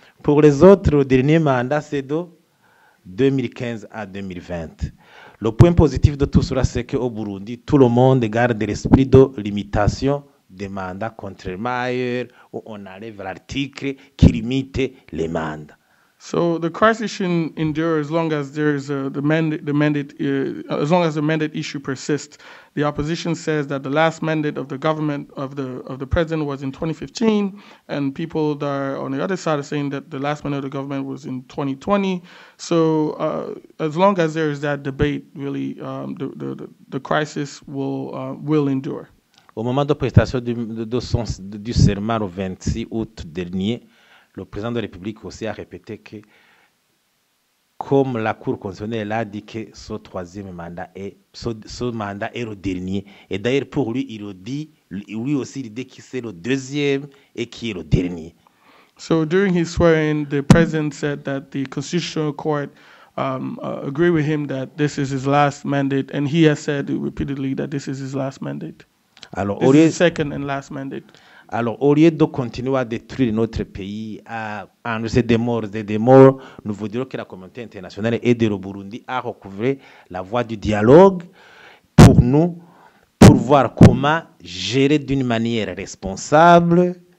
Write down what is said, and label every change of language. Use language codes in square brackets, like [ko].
[fr] Pour les autres, le dernier mandat, c'est de 2015 à 2020. Le point positif de tout cela, c'est qu'au Burundi, tout le monde garde l'esprit de limitation des mandats, contrairement ailleurs, où on enlève l'article qui limite les mandats. [en] So the crisis should endure as long as there is the mandate issue persists. The opposition says that the last mandate of the government of the president was in 2015, and people that are on the other side are saying that the last mandate of the government was in 2020. So as long as there is that debate, really, the crisis will endure. [fr] Au moment de prestation du serment au 26 août dernier, le président de la République aussi a répété que, comme la Cour constitutionnelle a dit que son troisième mandat est le dernier. Et d'ailleurs, pour lui, il dit, lui aussi, il dit que c'est le deuxième et qui est le dernier. [en] So during his swearing, the president said that the Constitutional Court agreed with him that this is his last mandate, and he has said repeatedly that this is his last mandate. [fr] Alors, [en] this is his second and last mandate. [fr] Alors, au lieu de continuer à détruire notre pays, à enregistrer des morts, nous vous dirons que la communauté internationale aide le Burundi à recouvrer la voie du dialogue pour nous, pour voir comment gérer d'une manière responsable